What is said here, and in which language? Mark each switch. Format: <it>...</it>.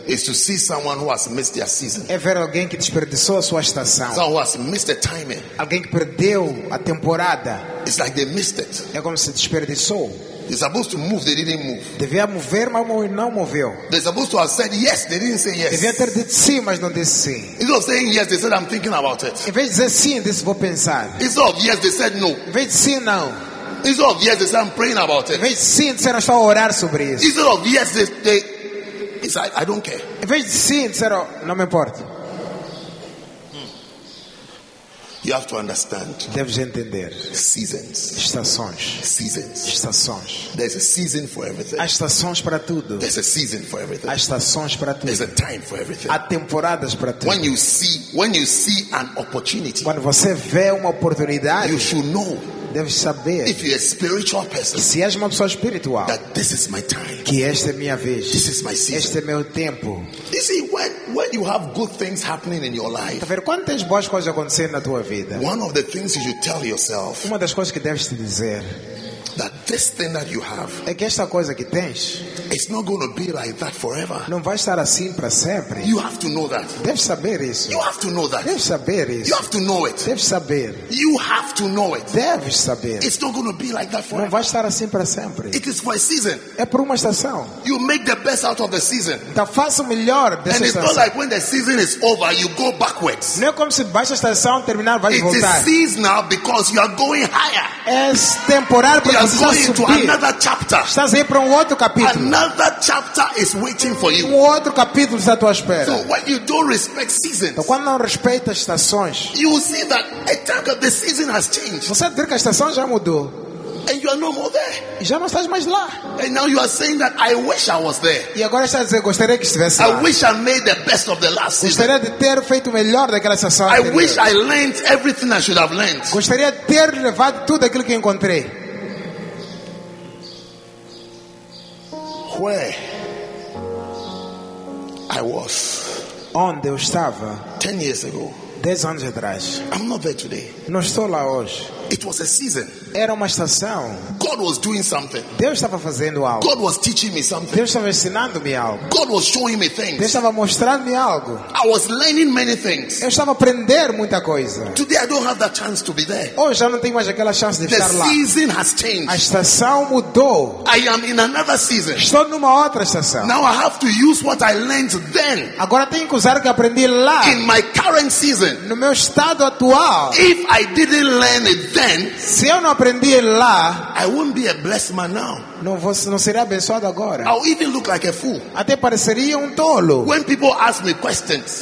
<en>Is to see someone who has missed their season.</en> <pt>É ver alguém que desperdiçou a sua estação.</pt> <en>Someone who has missed the timing.</en> <pt>Alguém que perdeu a temporada.</pt> <en>It's like they missed it.</en> <pt>É como se desperdiçou.</pt> <en>They're supposed to move, they didn't move.</en> <pt>Devia mover, mas não moveu.</pt> <en>They're supposed to have said yes, they didn't say yes.</en> <pt>Devia ter dito sim, mas não disse sim.</pt> <en>Instead of saying yes, they said I'm thinking about it.</en> <pt>Em vez de dizer sim, disse vou pensar.</pt> <en>Instead of yes, they said no.</en> <pt>Em vez de sim, não.</pt> <en>Instead of yes, they say I'm praying about it.</en> <pt>Em vez de sim, disseram só orar sobre isso.</pt> <en>Instead of yes, they it's like I don't care.</en> <pt>Em vez de sim, disseram não me importa.</pt> <en>You have to understand.</en> <pt>Deves entender.</pt> <en>Seasons.</en> <pt>Estações.</pt> <en>Seasons.</en> <pt>Estações.</pt> <en>There's a season for everything.</en> <pt>Há estações para tudo.</pt> <en>There's a season for everything.</en> <pt>Há estações para tudo.</pt> <en>There's a time for everything.</en> <pt>Há temporadas para tudo.</pt> <en>When you see an opportunity.</en> <pt>Quando você vê uma oportunidade.</pt> <en>You should know.</en> <pt>deve saber,</pt> <en>if you're a spiritual person,</en> <pt>se és uma pessoa espiritual,</pt> <en>that this is my time,</en> <pt>que esta é minha vez,</pt> <en>this is my season,</en> <pt>este é meu tempo.</pt> <en>You see, when you have good things happening in your life,</en> <pt>ver, quando tens boas coisas acontecendo na tua vida,</pt> <en>one of the things you should tell yourself,</en> <pt>uma das coisas que deves te dizer,</pt> <en>that this thing that you have,</en> <pt>é que esta coisa que tens,</pt> <en>it's not going to be like that forever.</en> <pt>Não vai estar assim para sempre.</pt> <en>You have to know that.</en> <pt>Deve saber isso.</pt> <en>You have to know that.</en> <pt>Deve saber isso.</pt> <en>You have to know it.</en> <pt>Deve saber.</pt> <en>You have to know it.</en> <pt>Deve saber.</pt> <en>It's not going to be like that forever.</en> <pt>Não vai estar assim para sempre.</pt> <en>It is for a season.</en> <pt>É por uma estação.</pt> <en>You make the best out of the season.</en> <pt>Então faça o melhor dessa estação.</pt> <en>And it's not like when the season is over, you go backwards.</en> <pt>Não é como se baixa a estação terminar, vai voltar.</pt> <en>It is seasonal because you are going higher.</en> <pt>É temporário porque</pt> <en>going into another chapter.</en> <pt>Estás aí para outro capítulo.</pt> <en>Another chapter is waiting for you.</en> <pt>Outro capítulo está à tua espera.</pt> <en>So when you don't respect seasons,</en> <pt>então, quando não respeita as estações,</pt> <en>you see that a time of the season has changed.</en> <pt>Você vê que a estação já mudou.</pt> <en>And you are no more there.</en> <pt>Já não estás mais lá.</pt> <en>And now you are saying that I wish I was there.</en> <pt>E agora estás a dizer, gostaria que estivesse lá.</pt> <en>I wish I made the best of the last season.</en> <pt>Gostaria de ter feito o melhor daquela estação.</pt> <en>I wish I learned everything I should have learned.</en> <pt>Gostaria de ter levado tudo aquilo que encontrei.</pt> <en>Where I was,</en> <pt>onde eu estava,</pt> <en>10 years ago,</en> <pt>10 anos atrás,</pt> <en>I'm not there today.</en> <pt>Não estou lá hoje.</pt> <en>It was a season.</en> <pt>Era uma estação.</pt> <en>God was doing something.</en> <pt>Deus estava fazendo algo.</pt> <en>God was teaching me something.</en> <pt>Deus estava ensinando-me algo.</pt> <en>God was showing me things.</en> <pt>Deus estava mostrando-me algo.</pt> <en>I was learning many things.</en> <pt>Eu estava aprendendo muita coisa.</pt> <en>Today I don't have that chance to be there.</en> <pt>Hoje eu não tenho mais aquela chance de</pt> <en>the</en> <pt>estar lá.</pt> <en>The season has changed.</en> <pt>A estação mudou.</pt> <en>I am in another season.</en> <pt>Estou numa outra estação.</pt> <en>Now I have to use what I learned then.</en> <pt>Agora tenho que usar o que aprendi lá.</pt> <en>In my current season.</en> <pt>No meu estado atual.</pt> <en>If I didn't learn it then,</en> <pt>se eu não aprendi lá,</pt> <en>I wouldn't be a blessed man now.</en> <pt>Não seria abençoado agora.</pt> <en>I'll even look like a fool.</en> <pt>Até pareceria tolo.</pt> <en>When people ask me questions,</en>